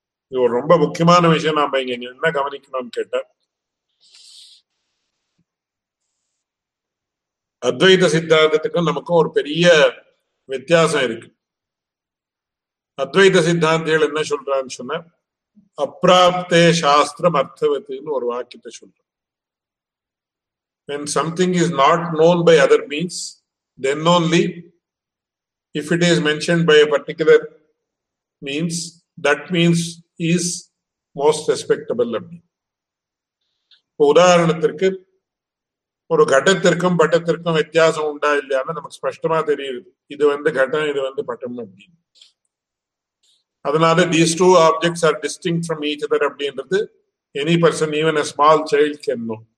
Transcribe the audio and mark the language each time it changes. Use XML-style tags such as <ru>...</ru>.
<ta>இது ஒரு ரொம்ப முக்கியமான விஷயம். நாம இங்க என்ன கவனிக்கணும்னு கேட்ட, அத்வைத சித்தாந்தத்துக்கும் நமக்கும் ஒரு பெரிய வித்தியாசம் இருக்கு. அத்வைத சித்தாந்திகள் என்ன சொல்றான்னு சொன்ன, அப்ராப்தே சாஸ்திரம் அர்த்தவத்துன்னு ஒரு வாக்கியத்தை சொல்றான்.</ta> <en>when something is not known by other means, then only if it is mentioned by a particular means, that means is most respectable. உதாரணத்திற்கு ஒரு கட்டத்திற்கும் பட்டத்திற்கும் வித்தியாசம் உண்டா இல்லையான்னு நமக்கு ஸ்பஷ்டமா தெரியுது, இது வந்து கட்டம் இது வந்து பட்டம் அப்படின்னு. அதனால these two objects are distinct from each other அப்படின்றது any person even a small child can know.</en>